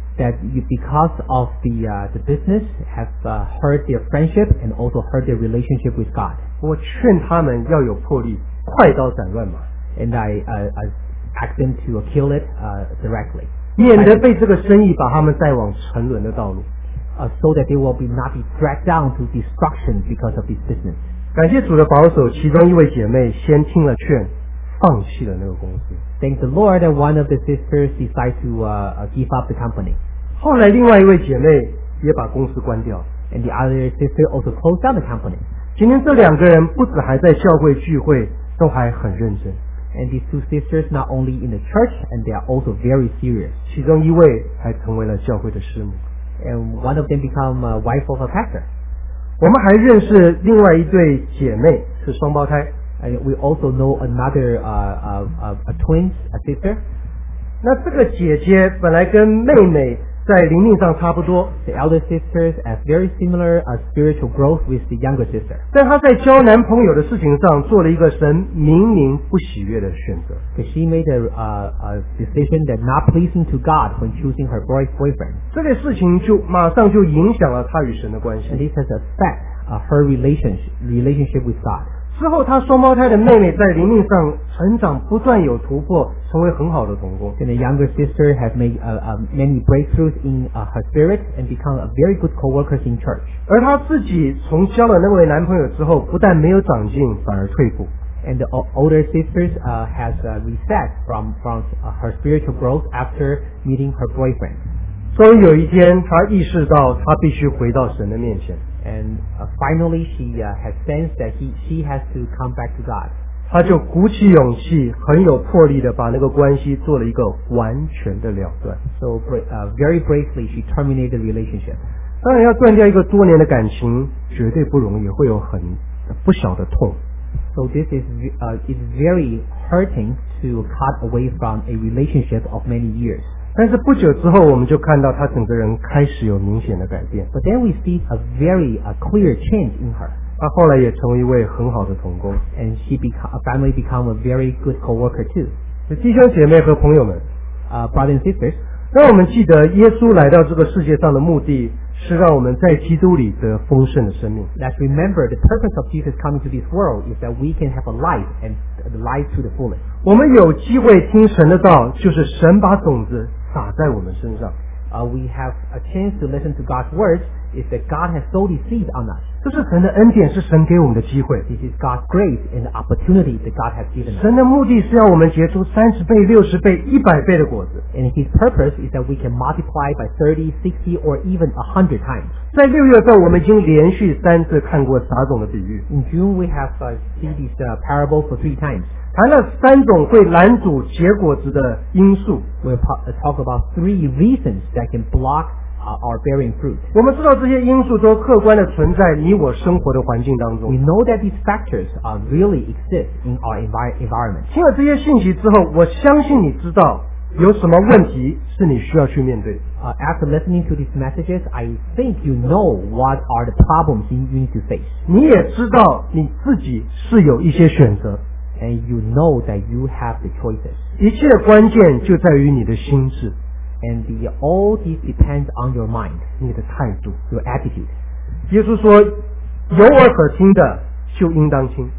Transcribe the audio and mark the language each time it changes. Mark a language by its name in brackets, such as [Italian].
[English] That because of the business have hurt their friendship and also hurt their relationship with God. [Chinese] 我劝他们要有魄力，快刀斩乱麻。 [English] And I ask them to kill it directly. [Chinese] 免得被这个生意把他们带往沉沦的道路。 [English] So that they will not be dragged down to destruction because of this business. [Chinese] 感谢主的保守，其中一位姐妹先听了劝，放弃了那个公司。 [English] Thank the Lord that one of the sisters decided to give up the company. [Chinese] 后来另外一位姐妹也把公司关掉。 [English] And the other sister also closed down the company. [Chinese] 今天这两个人不止还在教会聚会，都还很认真。 [English] And these two sisters not only in the church, and they are also very serious. [Chinese] 其中一位还成为了教会的师母。 [English] And one of them became a wife of a pastor. [Chinese] 我们还认识另外一对姐妹是双胞胎。 [English] And we also know another twins, a sister. [Chinese] 那这个姐姐本来跟妹妹在灵命上差不多。 [English] The elder sisters have very similar spiritual growth with the younger sister. [Chinese] 但她在交男朋友的事情上做了一个神明明不喜悦的选择。 [English] Because she made a decision that not pleasing to God when choosing her boyfriend. [Chinese] 这个事情就马上就影响了她与神的关系。 [English] And this has affected her relationship with God. [Chinese] 之后她双胞胎的妹妹在灵命上成长不断有突破，成为很好的同工。 [English] And the younger sister has made many breakthroughs in her spirit and become a very good co-worker in church. [Chinese] 而她自己从交了那位男朋友之后，不但没有长进，反而退步。 [English] And the older sister has reset from her spiritual growth after meeting her boyfriend. [Chinese] 终于有一天，她意识到她必须回到神的面前。 [English] And finally, she has sensed that she has to come back to God. [Chinese] 他就鼓起勇气，很有魄力的把那个关系做了一个完全的了断。 [English] So very bravely, she terminated the relationship. [Chinese] 当然，要断掉一个多年的感情，绝对不容易，会有很不小的痛。 [English] So this is very hurting to cut away from a relationship of many years. [Chinese] 但是不久之后，我们就看到他整个人开始有明显的改变。 [English] But then we see a very clear change in her. [Chinese] 她后来也成为一位很好的同工。 [English] And she become a family become a very good co-worker too. [Chinese] 是弟兄姐妹和朋友们。 [English] Brothers and sisters. [Chinese] 让我们记得耶稣来到这个世界上的目的是让我们在基督里得丰盛的生命。 [English] Let's remember the purpose of Jesus coming to this world is that we can have a life and the life to the fullest. [Chinese] 我们有机会听神的道，就是神把种子撒在我们身上。 [English] We have a chance to listen to God's words is that God has sowed the seed on us. [Chinese] 这是神的恩典，是神给我们的机会。 [English] This is God's grace and the opportunity that God has given us. [Chinese] 神的目的是要我们结出30倍、60倍、100倍的果子。 [English] And His purpose is that we can multiply by 30, 60, or even 100 times. [Chinese] 在六月份，我们已经连续三次看过撒种的比喻。 [English] In June, we have seen this parable for 3 times. [Chinese] 谈了三种会拦阻结果子的因素。 [English] We'll talk about 3 reasons that can block our bearing fruit. [Chinese] 我们知道这些因素都客观的存在你我生活的环境当中。 [English] We know that these factors really exist in our environment. [Chinese] 听了这些信息之后，我相信你知道有什么问题是你需要去面对。 [English] After listening to these messages, I think you know what are the problems you need to face. [Chinese] 你也知道你自己是有一些选择。 [English] And you know that you have the choices. [Chinese] 一切的关键就在于你的心智。 [English] And all this depends on your mind. [Chinese] 你的态度。 [English] Your attitude. [Chinese] 耶稣说，有耳可听的就应当听。